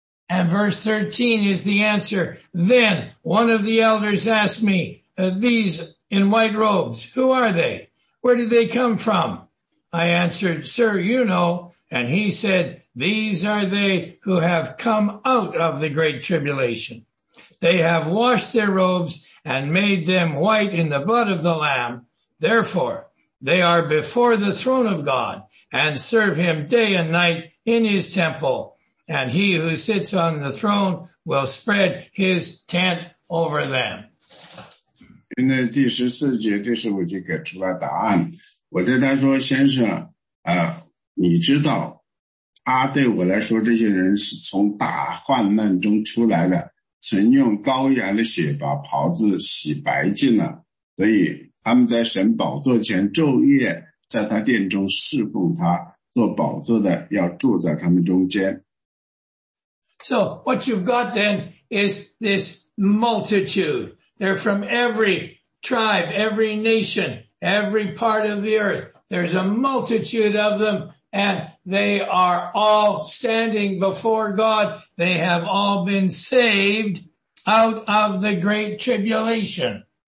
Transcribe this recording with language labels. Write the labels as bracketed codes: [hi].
[en] And verse 13 is the answer. Then one of the elders asked me, these in white robes, who are they? Where did they come from? I answered, sir, you know. And he said, these are they who have come out of the great tribulation. They have washed their robes and made them white in the blood of the Lamb. Therefore, they are before the throne of God and serve him day and night in his temple, and he who sits on the throne will spread his tent over them. [zh] 那第十四节就给出来答案。我对他说：“先生啊，你知道，他对我来说这些人是从大患难中出来的，曾用羔羊的血把袍子洗白净了，所以他们在神宝座前昼夜，在他殿中侍奉他，做宝座的要住在他们中间。” [en] So what you've got then is this multitude. They're from every tribe, every nation, every part of the earth. There's a multitude of them, and they are all standing before God. They have all been saved out of the great tribulation.